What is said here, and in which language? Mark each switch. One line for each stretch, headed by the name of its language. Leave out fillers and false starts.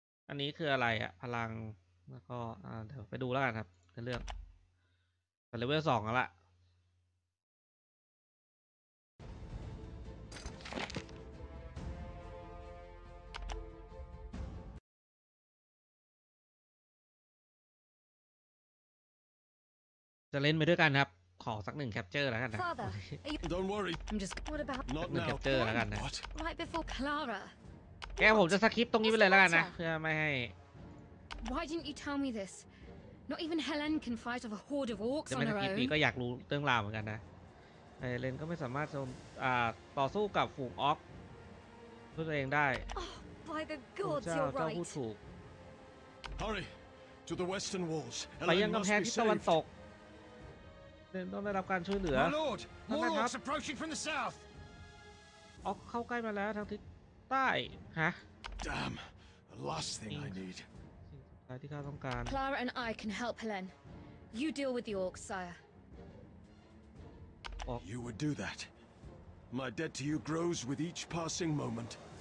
Thai: อันนี้คืออะไรฮะพลังแล้วก็เดี๋ยวไปดูแล้วกันครับเรื่องเลเวล2แล้วล่ะจะเล่นไปด้วยกันครับขอสักหนึ่งแคปเจอร์แล้วกันนะ
English: Don't worry I'm just what about
Thai: หนึ่งแคปเจอร์แล้วกันนะ
English: Right before Clara
Thai: แกผมจะสคริปต์ตรงนี้ไปเลยแล้วกันนะเพื่อไม่ให้
English: Why didn't you tell me this Not even Helen can fight off a horde of orcs on her own
Thai: แต่ไม่สคริปต์ก็อยากรู้เรื่องราวเหมือนกันนะเลนก็ไม่สามารถต่อสู้กับฝูงออกด้วยตัวเองได้
English: By the gods you're right
Thai: เจ้าพูดถูก
English: Hurry to the western walls
Thai: ไปยังกำแพงที่ตะวันตกต้องได้รับการช่วยเหลือ
English: Lord, more orcs approaching from the south.
Thai: ออกเข้าใกล้มาแล้วทางทิศใต้ฮะ
English: Damn, the last thing I need.
Thai: สิ่งที่ข้าต้องการ
English: Clara and I can help Helen. You deal with the orcs, sire. You would do that. My debt to you grows with each passing moment.